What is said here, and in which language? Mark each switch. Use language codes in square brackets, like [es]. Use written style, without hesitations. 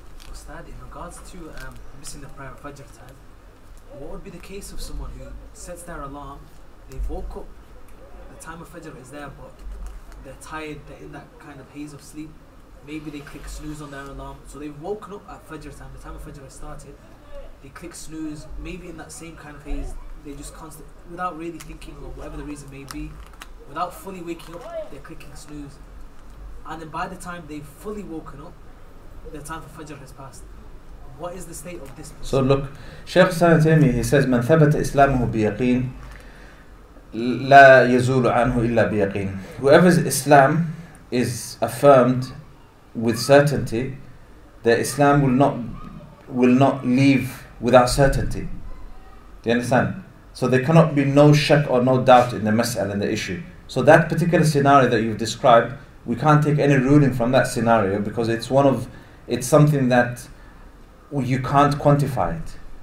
[en] Ustad, in regards to missing the prayer of Fajr time, what would be the case of someone who sets their alarm, they woke up, the time of Fajr is there, but they're tired, they're in that kind of haze of sleep, maybe they click snooze on their alarm, so they've woken up at Fajr time, the time of Fajr has started, they click snooze, maybe in that same kind of haze, they just constant, without really thinking or whatever the reason may be, without fully waking up, they're clicking snooze. And then by the time they've fully woken up, the time for Fajr has passed. What is the state of this person? So look, Shaykh Sana Taymi, he says, [ar] من ثبت إسلامه بيقين لا يزول عنه إلا بيقين. [en] Whoever's Islam is affirmed with certainty, their Islam will not leave without certainty. Do you understand? So there cannot be no shak or no doubt in the mas'al and the issue. So that particular scenario that you've described, we can't take any ruling from that scenario because it's something that you can't quantify it.